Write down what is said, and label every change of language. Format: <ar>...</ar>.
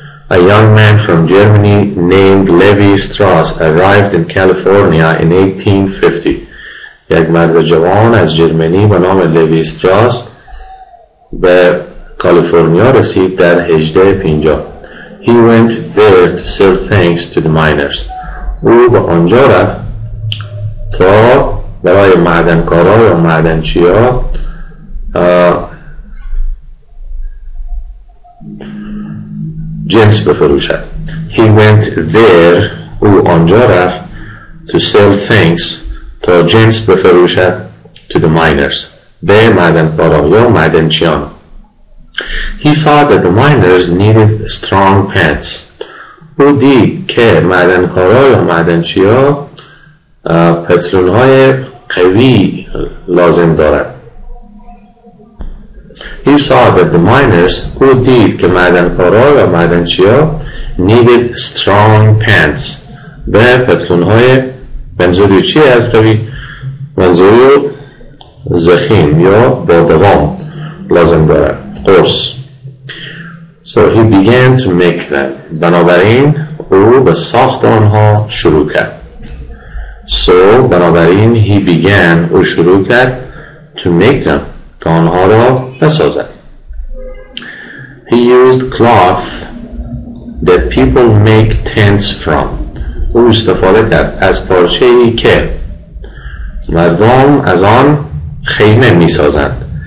<en>A young man from Germany named Levi Strauss arrived in California in 1850.</en> <fa>یک مرد جوان از جرمنی به نام Levi Strauss به کالیفرنیا رسید در 1850.</fa> <en>He went there to serve thanks to the miners.</en> <fa>او به آنجا رفت تا برای معدنکارا یا معدنچیا جنس بفروشد.</fa> <en>He went there</en> <fa>او آنجا رفت</fa> <en>to sell things</en> <fa>تا جنس بفروشد</fa> <en>to the miners</en> <fa>به معدنکارا یا معدنچیان.</fa> <en>He saw that the miners needed strong pants.</en> <fa>او دید که معدنکارا یا معدنچیا پتلون‌های قوی لازم دارند.</fa> <en>He saw that the miners</en> <fa>او دید که معدنکارا یا معدنچیا</fa> <en>needed strong pants.</en> <fa>به پتلون‌های منظوری چی از قوی؟ منظوری زخیم یا بادوام لازم دارند. قرص.</fa> <en>So he began to make them.</en> <fa>بنابراین او به ساخت آنها شروع کرد.</fa> <en>So</en> <fa>بنابراین</fa> <en>he began</en> <fa>او شروع کرد</fa> <en>to make them.</en> <fa>که آنها را بسازد.</fa> <en>He used cloth that people make tents from.</en> <fa>او استفاده کرد از پارچه ای که مردم از آن خیمه می سازند.</fa>